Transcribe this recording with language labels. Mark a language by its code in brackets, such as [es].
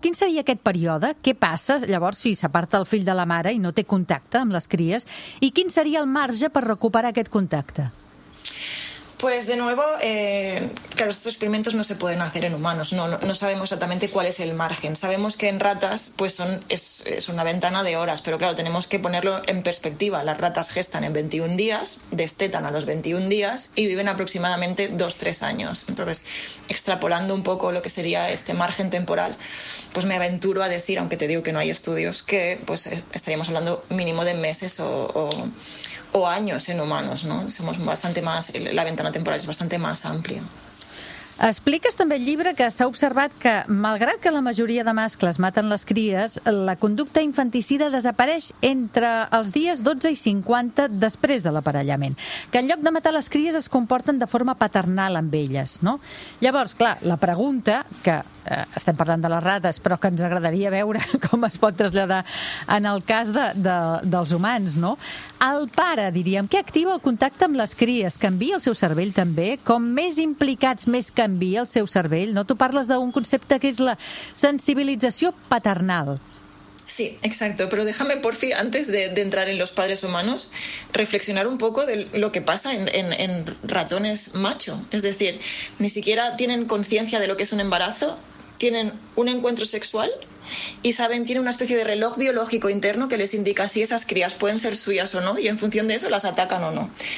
[ca] Quin seria aquest període? Què passa llavors si s'aparta el fill de la mare i no té contacte amb les cries? I quin seria el marge per recuperar aquest contacte? [es] Pues de nuevo, claro, estos experimentos no se pueden hacer en humanos, no sabemos exactamente cuál es el margen. Sabemos que en ratas pues es una ventana de horas, pero claro, tenemos que ponerlo en perspectiva. Las ratas gestan en 21 días, destetan a los 21 días y viven aproximadamente 2-3 años. Entonces, extrapolando un poco lo que sería este margen temporal, pues me aventuro a decir, aunque te digo que no hay estudios, que pues estaríamos hablando mínimo de meses o años en humanos, ¿no? Somos bastante más, la ventana temporal es bastante más amplia. [ca] Expliques també el llibre que s'ha observat que, malgrat que la majoria de mascles maten les cries, la conducta infanticida desapareix entre els dies 12 i 50 després de l'aparellament, que en lloc de matar les cries es comporten de forma paternal amb elles, no? Llavors, clar, la pregunta, que estem parlant de les rates, però que ens agradaria veure com es pot traslladar en el cas dels humans, no? El pare, diríem, què activa el contacte amb les cries? Canvia el seu cervell també? Com més implicats, més canvia el seu cervell, no? Tu parles d'un concepte que és la sensibilització paternal. [es] Sí, exacto. Pero déjame, porfi, antes de entrar en los padres humanos, reflexionar un poco de lo que pasa en ratones macho. Es decir, ni siquiera tienen conciencia de lo que es un embarazo, tienen un encuentro sexual y saben, tienen una especie de reloj biológico interno que les indica si esas crías pueden ser suyas o no, y en función de eso las atacan o no.